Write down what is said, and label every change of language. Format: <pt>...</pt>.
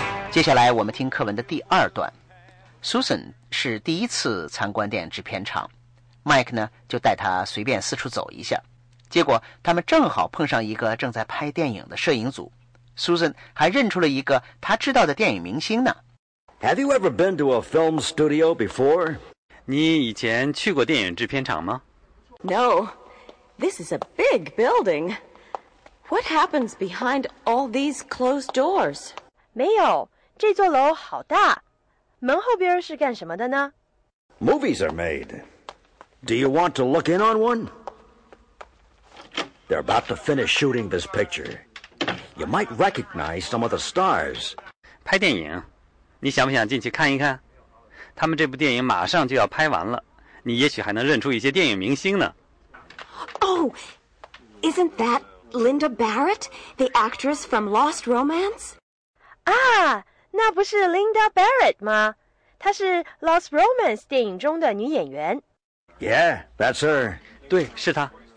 <zh>接下来我们听课文的第二段。Susan 是第一次参观电影制片厂， Mike 呢就带他随便四处走一下，结果他们正好碰上一个正在拍电影的摄影组。 Susan 还认出了一个他知道的电影明星呢。</zh> <en>Have you ever been to a film studio before?</en> <zh>你以前去过电影制片厂吗？</zh> <en>No, this is a big building. What happens behind all these closed doors?</en> <zh>没有，这座楼好大，门后边是干什么的呢？</zh> <en>Movies are made. Do you want to look in on one? They're about to finish shooting this picture. you might recognize some of the stars.</en> <zh>拍电影，你想不想进去看一看？他们这部电影马上就要拍完了，你也许还能认出一些电影明星呢。</zh> <en>Oh, isn't that Linda Barrett, the actress from Lost Romance?</en> <zh>Ah, 那不是 Linda Barrett 吗？她是 Lost Romance 电影中的女演员。</zh> <en>Yeah, that's her.</en> <zh>对，是她。</zh>